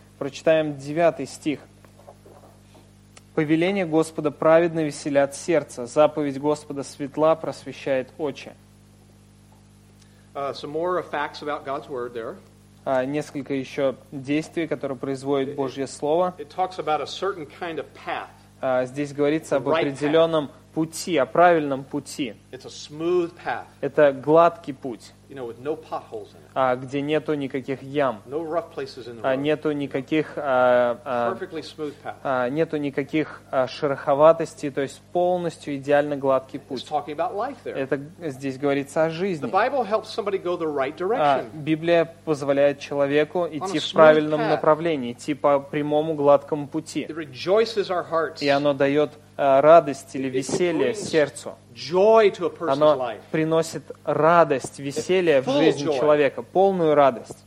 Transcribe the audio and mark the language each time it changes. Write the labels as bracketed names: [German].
[Russian] Прочитаем 9 стих. Повеления Господа праведно веселят сердце, заповедь Господа светла просвещает очи. [English] Some more facts about God's word there. [Russian] Несколько еще действий, которые производит Божье слово. [English] It talks about a certain kind of path. [Russian] Здесь говорится об определенном [English] path. [Russian] пути, о правильном пути. [English] It's a smooth path. [Russian] Это гладкий путь. [English] You know, with no potholes in it. [Russian] А где нету никаких ям. [English] No rough places in the road. [Russian] Нету никаких [English] Perfectly smooth path. [Russian] Нету никаких шероховатостей, то есть полностью идеально гладкий путь. [English] It's talking about life there. [Russian] Это здесь говорится о жизни. [English] The Bible helps somebody go the right direction. [Russian] Библия позволяет человеку идти в правильном направлении, идти по прямому гладкому пути. [English] It rejoices our hearts. [Russian] И оно дает радость или веселье сердцу. Оно приносит радость, веселье в жизнь человека, полную радость.